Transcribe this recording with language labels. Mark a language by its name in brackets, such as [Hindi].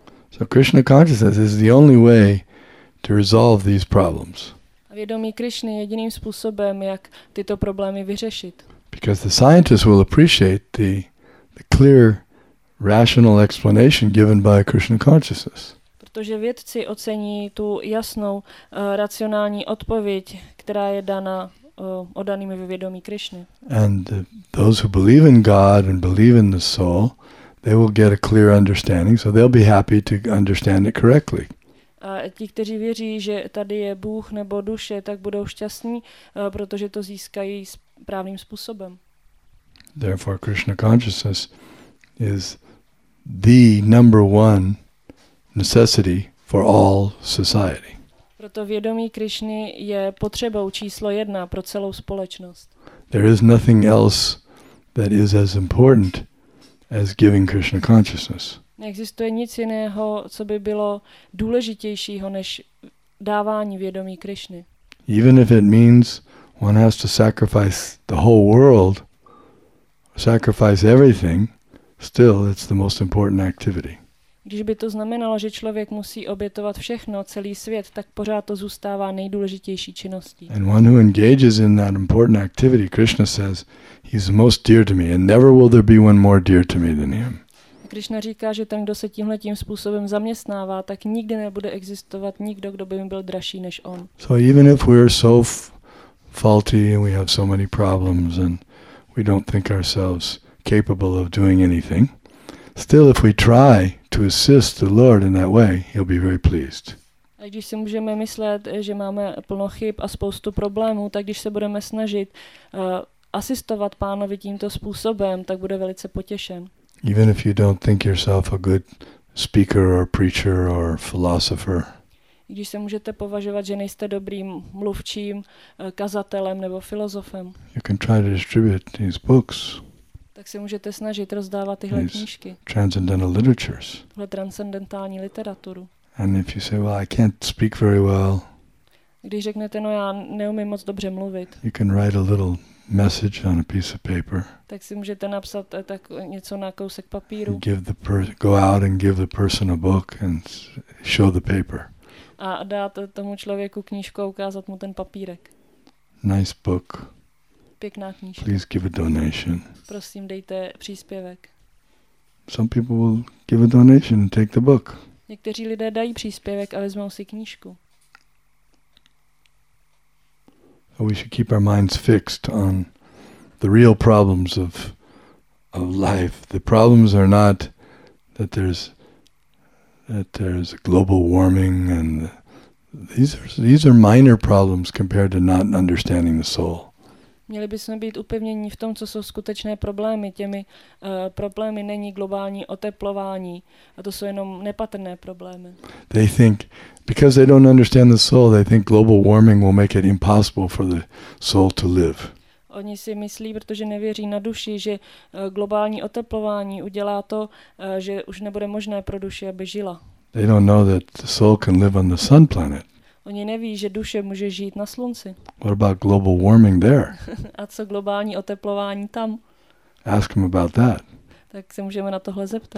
[English] So Krishna consciousness is the only way to resolve these problems. [Czech] A vědomí Krishny je jediným způsobem, jak tyto problémy vyřešit. [English] Because the scientists will appreciate the clear rational explanation given by Krishna consciousness. [Czech] Protože vědci ocení tu jasnou racionální odpověď, která je dana odanými ve vědomí Krišny. [English] And those who believe in God and believe in the soul, they will get a clear understanding, so they'll be happy to understand it correctly. [Czech] A ti, kteří věří, že tady je Bůh nebo duše, tak budou šťastní, protože to získají správným způsobem. [English] Therefore Krishna consciousness is the number one necessity for all society. [Czech] Proto vědomí Krišny je potřebou číslo jedna pro celou společnost. [English] There is nothing else that is as important as giving Krishna consciousness. [Czech] Neexistuje nic jiného, co by bylo důležitějšího než dávání vědomí Krišny. [English] Even if it means one has to sacrifice the whole world, sacrifice everything, still it's the most important activity. [Czech] Když by to znamenalo, že člověk musí obětovat všechno, celý svět, tak pořád to zůstává nejdůležitější činností. [English] And one who engages in that important activity, Krishna says, he's most dear to me, and never will there be one more dear to me than him. [Czech] Krishna říká, že ten, kdo se tímhle tím způsobem zaměstnává, tak nikdy nebude existovat nikdo, kdo by mi byl dražší než on. [English] So even if we're so faulty and we have so many problems and we don't think ourselves capable of doing anything, still if we try to assist the Lord in that way, he'll be very pleased. [Czech] A když si můžeme myslet, že máme plno chyb a spoustu problémů, tak když se budeme snažit asistovat Pánovi tímto způsobem, tak bude velice potěšen. [English] Even if you don't think yourself a good speaker or preacher or philosopher. [Czech] Když se můžete považovat, že nejste dobrým mluvčím, kazatelem nebo filozofem. [English] You can try to distribute these books. [Czech] Tak se můžete snažit rozdávat tyhle knížky. [English] Transcendental literatures. [Czech] Tuhle transcendentální literaturu. [English] And if you say, well, I can't speak very well. [Czech] Když řeknete, no já neumím moc dobře mluvit. [English] You can write a little message on a piece of paper. [Czech] Tak si můžete napsat tak něco na kousek papíru. [English] Go out and give the person a book and show the paper. [Czech] A dát tomu člověku knížku, ukázat mu ten papírek. [English] Nice book. [Czech] Pěkná knížka. [English] Please give a donation. [Czech] Prosím, dejte příspěvek. [English] Some people will give a donation and take the book. [Czech] Někteří lidé dají příspěvek a vezmou si knížku. [English] So we should keep our minds fixed on the real problems of life. The problems are not that there's global warming, and these are minor problems compared to not understanding the soul. [Czech] Měli bychom být upevněni v tom, co jsou skutečné problémy. Těmi problémy není globální oteplování, a to jsou jenom nepatrné problémy. [English] They think, because they don't understand the soul, they think global warming will make it impossible for the soul to live. [Czech] Oni si myslí, protože nevěří na duši, že globální oteplování udělá to, že už nebude možné pro duši, aby žila. [English] They don't know that the soul can live on the sun planet. [Czech] Oni neví, že duše může žít na slunci. [English] What about global warming there? [Czech] A co globální oteplování tam? [English] Ask them about that. [Czech] Tak se můžeme na tohle zeptat.